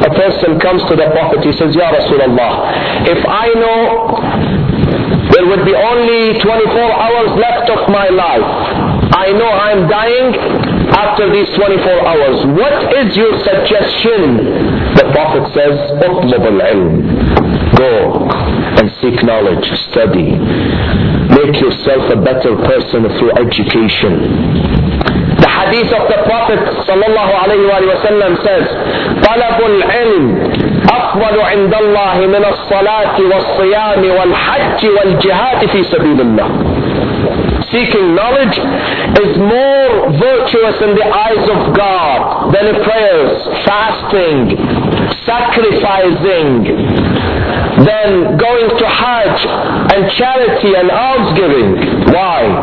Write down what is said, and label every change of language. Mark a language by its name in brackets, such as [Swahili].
[English] A person comes to the Prophet, he says, Ya Rasulullah, if I know there would be only 24 hours left of my life, I know I'm dying after these 24 hours, what is your suggestion? The Prophet says, [Arabic] اطلب العلم. [English] Go and seek knowledge, study. Make yourself a better person through education. The hadith of the Prophet sallallahu alayhi wa sallam says, [Arabic] طلب العلم أفضل عند الله من الصلاة والصيام والحج والجهاد في سبيل الله. [English] Seeking knowledge is more virtuous in the eyes of God than prayers, fasting, sacrificing, than going to Hajj and charity and almsgiving. Why?